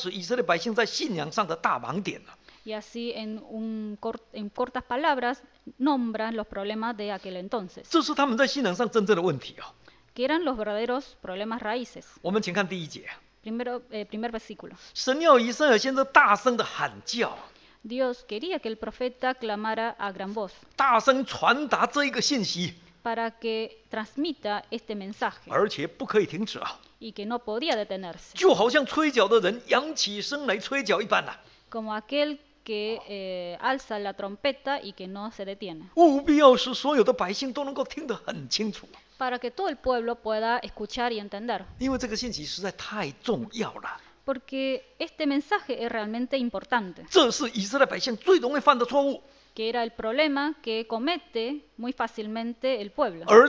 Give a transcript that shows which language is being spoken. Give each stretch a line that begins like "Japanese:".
Chinese: 用两节圣经很不客气地指出当时以色列百姓在信仰上的大盲点了。
Spanish: Y así, en cortas palabras, nombran los problemas de aquel entonces.
Chinese: 这是他们在信仰上真正的问题哦。
Spanish: Que eran los verdaderos problemas raíces.
Chinese: 我们请看第一节。
Spanish: Primer versículo.
Chinese: 神要以色列先生大声地喊叫。
Spanish: Dios quería que el profeta clamara a gran voz
Chinese: 大声传达这一个信息,
Spanish: para que transmita este mensaje
Chinese: 而且不可以停止啊,
Spanish: y que no podía detenerse
Chinese: 就好像吹角的人扬起声来吹角一般啊,
Spanish: como aquel que alza la trompeta y que no se detiene
Chinese: 务必要使所有的百姓都能够听得很清楚,
Spanish: para que todo el pueblo pueda escuchar y entender
Chinese: 因为这个信息实在太重要了。
Spanish: Porque este mensaje es realmente importante.
Chinese: 这是以色列百姓最容易犯的错误。
Spanish: Que era el problema que comete muy fácilmente el pueblo.